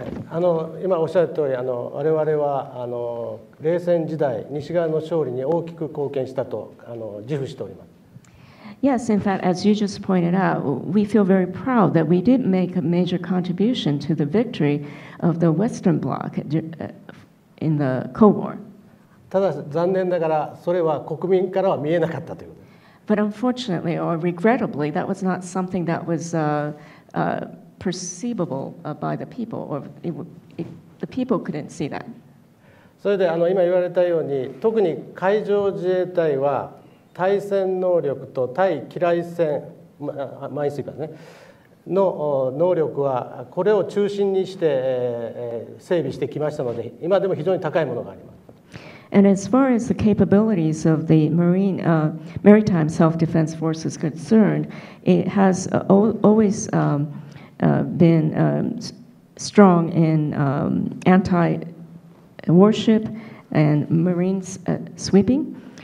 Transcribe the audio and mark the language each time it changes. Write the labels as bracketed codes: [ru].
[ja] あの今おっしゃる通り、あの我々はあの冷戦時代、西側の勝利に大きく貢献したとあの自負しております。 [en] Yes, in fact, as you just pointed out, we feel very proud that we did make a major contribution to the victory of the Western Bloc in the Cold War. [ja] ただ残念ながらそれは国民からは見えなかったということ。 [en] But unfortunately, or regrettably, that was not something that was perceivable by the people, or the people couldn't see that. [ja] それであの今言われたように、特に海上自衛隊は対戦能力と対機雷戦、マイスイカーですね、の能力はこれを中心にして整備してきましたので、今でも非常に高いものがあります。 [en] And as far as the capabilities of the marine, maritime self-defense force is concerned, it has always been strong in anti-warship and marine sweeping.